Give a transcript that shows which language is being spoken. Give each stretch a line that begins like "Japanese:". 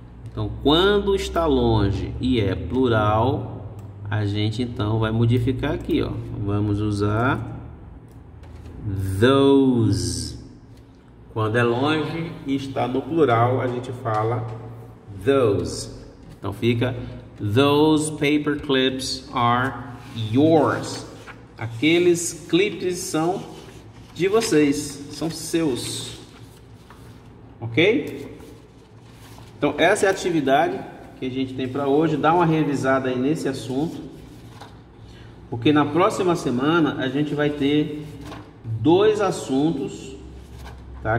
Portuguese: Então, quando está longe e é plural, a gente então vai modificar aqui, ó. Vamos usar those. Quando é longe e está no plural, a gente fala those. Então fica:
English: Those paper clips are yours.
Portuguese: Aqueles clipes são de vocês, são seus. Ok? Então essa é a atividade que a gente tem para hoje. Dá uma revisada aí nesse assunto, porque na próxima semana a gente vai ter dois assuntos. Tá?